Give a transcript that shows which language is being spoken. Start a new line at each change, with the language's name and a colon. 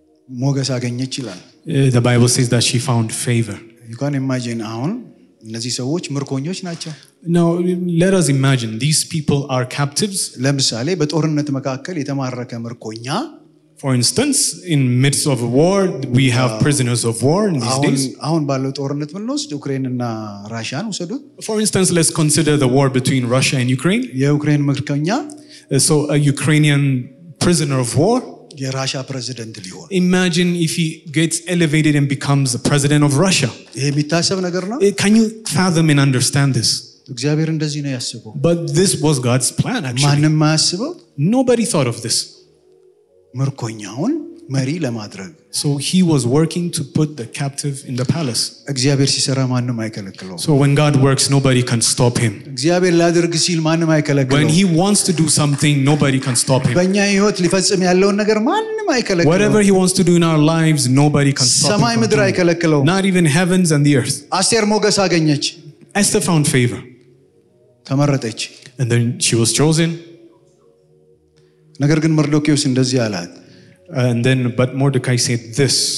English: The Bible says that she found favor. You can imagine Aaron.
Amharic: እነዚህ ሰዎች ምርኮኞች ናቸው
English: No let us imagine these people are captives
Amharic: ለምሳሌ በጦርነት መካከል የተማረከ ምርኮኛ
English: For instance in midst of a war we have prisoners of war in these days
Amharic: አሁን ባለው ጦርነት ምን ነው ዩክሬን እና ራሽያን ወሰዱ
English: For instance let's consider the war between Russia and Ukraine
Amharic: የዩክሬን ምርኮኛ
English: So a Ukrainian prisoner of war
Amharic: የራሽያ ፕሬዝዳንት ሊሆን
English: Imagine if he gets elevated and becomes the president of Russia.
Amharic: የሚታሰብ ነገር ነው?
English: Can you fathom and understand this?
Amharic: እግዚአብሔር እንደዚህ ነው ያስበው.
English: But this was God's plan actually.
Amharic: ማንም ማያስበው?
English: Nobody thought of this.
Amharic: ምርኮኛውን መሪ ለማድረግ.
English: So he was working to put the captive in the palace.
Amharic: እግዚአብሔር ሲሰራ ማንም አይከለክለውም.
English: So when God works nobody can stop him.
Amharic: እግዚአብሔር ላድርግ ሲል ማንም አይከለክለውም.
English: When he wants to do something nobody can stop him.
Amharic: በእኛ ህይወት ሊፈጽም ያለውን ነገር ማንም አይከለክለውም.
English: Whatever he wants to do in our lives nobody can stop him.
Amharic: ሰማይ ምድር አይከለክለውም.
English: Not even heavens and the earth.
Amharic: አስቴር ሞገስ አገኘች.
English: Esther found favor.
Amharic: ተመረጠች.
English: And then she was chosen.
Amharic: ነገር ግን መርዶክዮስ እንደዚህ አላት.
English: And then but Mordecai said this